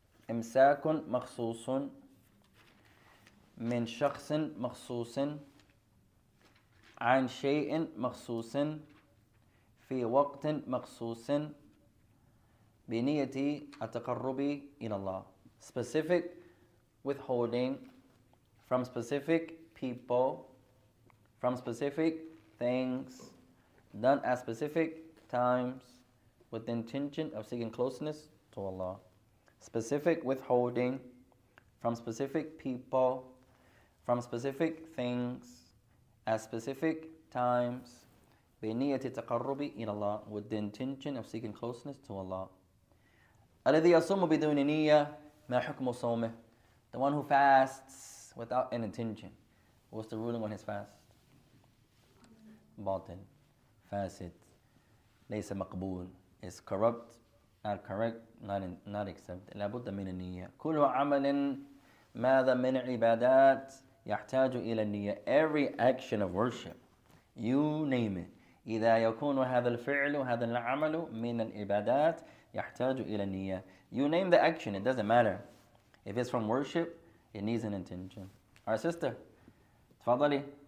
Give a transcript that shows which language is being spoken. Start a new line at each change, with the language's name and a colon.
Arabic: إمساك مخصوص من شخص مخصوص عن شيء مخصوص في وقت مخصوص بنية التقربي إلى الله.
English: Specific withholding from specific people, from specific things, done at specific times with the intention of seeking closeness to Allah. Specific withholding from specific people, from specific things, at specific times,
Arabic: بِنِيَةِ تَقَرُّبِ إِلَى اللَّهِ,
English: with the intention of seeking closeness to Allah.
Arabic: أَلَذِي يَصُومُ بِدُونِ نِيَّةِ مَا حُكْمُ صَوْمِهِ.
English: The one who fasts without an intention, what's the ruling on his fast? Batil. Fasid,
Arabic: ليس مقبول,
English: is corrupt, not correct, not accepted.
Arabic: لابد من النية. كل عمل ماذا من عبادات يحتاج إلى النية.
English: Every action of worship, you name it,
Arabic: إذا يكون هذا الفعل هذا العمل من العبادات يحتاج إلى النية.
English: You name the action, it doesn't matter. If it's from worship, it needs an intention. Our sister,
Arabic: تفضلي.